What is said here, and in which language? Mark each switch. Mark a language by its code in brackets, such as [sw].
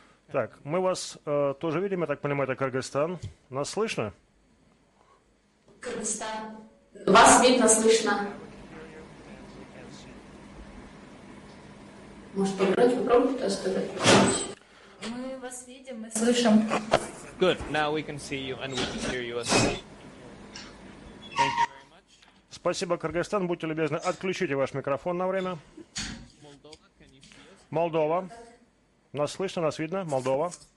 [ru] Так, мы вас тоже видим, я так понимаю, это Кыргызстан. Нас слышно? Кыргызстан. Вас видно, слышно. Может, попробуйте сказать? Мы вас видим, мы слышим. [en] Good, now we can see you and we can hear you as well. [ru] Спасибо, Кыргызстан. Будьте любезны, отключите ваш микрофон на время. Молдова. Нас слышно, нас видно? Молдова.